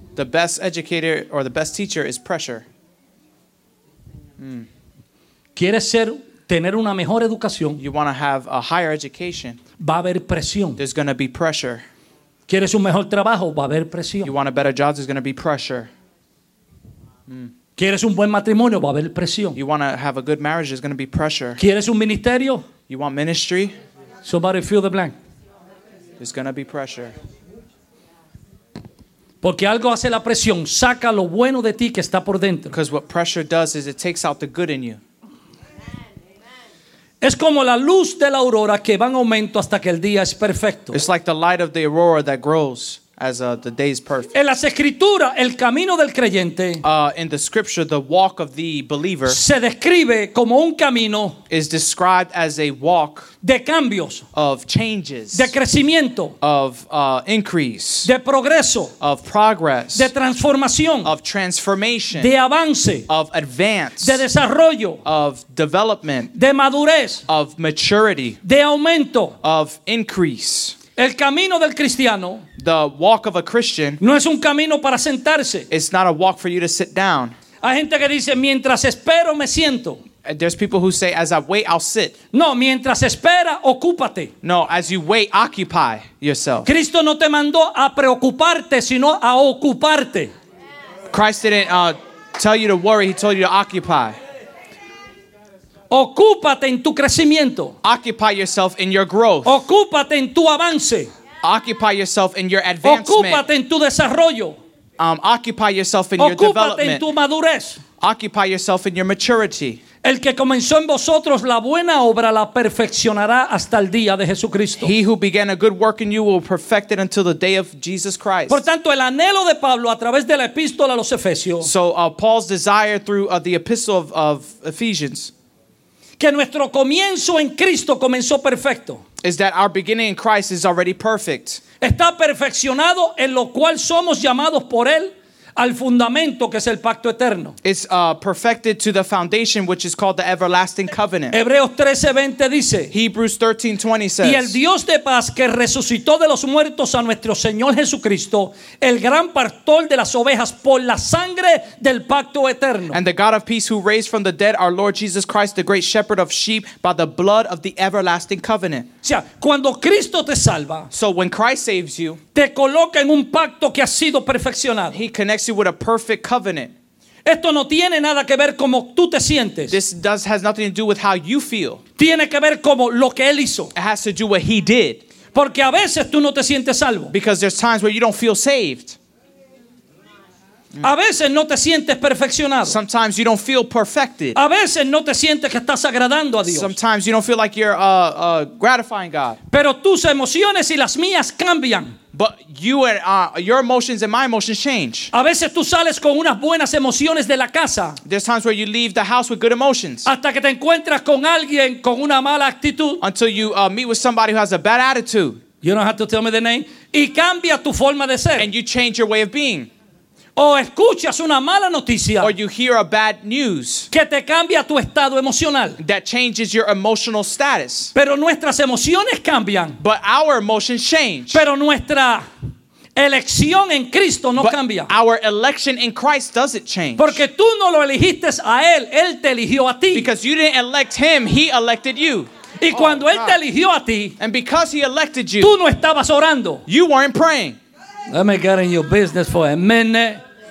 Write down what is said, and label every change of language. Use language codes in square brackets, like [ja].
[en] The best educator or the best teacher is pressure. [es] ¿Quieres tener una mejor educación? [en] You want to have a higher education. [es] Va a haber presión. [en] There's going to be pressure. [es] ¿Quieres un mejor trabajo? Va a haber presión. [en] You want a better job? There's going to be pressure. [es] ¿Quieres un buen matrimonio? Va a haber presión. [en] You want to have a good marriage? There's going to be pressure. [es] ¿Quieres un ministerio? [en] You want ministry? Somebody fill the blank. There's going to be pressure. [es] Porque algo hace la presión, saca lo bueno de ti que está por dentro. [en] Because what pressure does is it takes out the good in you. [es] Es como la luz de la aurora que va en aumento hasta que el día es perfecto. [en] It's like the light of the aurora that grows as the day is perfect. [es] En las escrituras, el camino del creyente, [en] in the scripture, the walk of the believer, [es] se describe como un camino, [en] is described as a walk [es] de cambios, [en] of changes, [es] de crecimiento, [en] of increase, [es] de progreso, [en] of progress, [es] de transformación, [en] of transformation, [es] de avance, [en] of advance, [es] de desarrollo, [en] of development, [es] de madurez, [en] of maturity, [es] de aumento, [en] of increase. [es] El camino del cristiano, [en] the walk of a Christian, [es] no es un camino para sentarse. [en] It's not a walk for you to sit down. [es] Hay gente que dice, mientras espero me siento. [en] There's people who say, as I wait, I'll sit. [es] No, mientras espera, ocúpate. [en] No, as you wait, occupy yourself. [es] Cristo no te mandó a preocuparte, sino a ocuparte. [en] Christ didn't tell you to worry, he told you to occupy. [es] Ocúpate en tu crecimiento. [en] Occupy yourself in your growth. [es] Ocúpate en tu avance. [en] Occupy yourself in your advancement. [es] Ocúpate en tu desarrollo. [en] Occupy yourself in [es] ocúpate [en] your development. [es] En tu madurez. [en] Occupy yourself in your maturity. [es] El que comenzó en vosotros la buena obra la perfeccionará hasta el día de Jesucristo. [en] He who began a good work in you will perfect it until the day of Jesus Christ. [es] Por tanto, el anhelo de Pablo a través de la epístola a los Efesios. [en] So Paul's desire through the epistle of Ephesians. [es] Que nuestro comienzo en Cristo comenzó perfecto. [en] Is that our beginning in Christ is already perfect. [es] Está perfeccionado en lo cual somos llamados por Él al fundamento que es el pacto eterno. [en] It's perfected to the foundation which is called the everlasting covenant. [es] Hebreos 13:20 dice. [en] Hebrews 13:20 says. [es] Y el Dios de paz que resucitó de los muertos a nuestro Señor Jesucristo, el gran pastor de las ovejas por la sangre del pacto eterno. [en] And the God of peace who raised from the dead our Lord Jesus Christ, the great shepherd of sheep, by the blood of the everlasting covenant. [es] O sea, cuando Cristo te salva. [en] So when Christ saves you. [es] Te coloca en un pacto que ha sido perfeccionado. [en] He connects you with a perfect covenant. [es] Esto no tiene nada que ver como tú te sientes. [en] This has nothing to do with how you feel. [es] Tiene que ver como lo que él hizo. [en] It has to do with what he did. [es] Porque a veces tú no te sientes salvo. [en] Because there's times where you don't feel saved. [es] A veces no te sientes perfeccionado. [en] Sometimes you don't feel perfected. [es] A veces no te sientes que estás agradando a Dios. [en] Sometimes you don't feel like you're gratifying God. [es] Pero tus emociones y las mías cambian. [en] But you and your emotions and my emotions change. [es] A veces tú sales con unas buenas emociones de la casa. [en] There's times where you leave the house with good emotions. [es] Hasta que te encuentras con alguien con una mala actitud. [en] Until you meet with somebody who has a bad attitude. You don't have to tell me the name. [es] Y cambia tu forma de ser. [en] And you change your way of being. [es] O escuchas una mala noticia. [en] Or you hear a bad news. [es] Que te cambia tu estado emocional. [en] That changes your emotional status. [es] Pero nuestras emociones cambian. [en] But our emotions change. [es] Pero nuestra elección en Cristo no [en] But [es] cambia. [en] Our election in Christ doesn't change. [es] Porque tú no lo elegiste a él, él te eligió a ti. [en] Because you didn't elect him, he elected you. [es] Y cuando él te eligió a ti, [en] and because he elected you, [es] tú no estabas orando. [en] You weren't praying. Let me get in your business for a minute.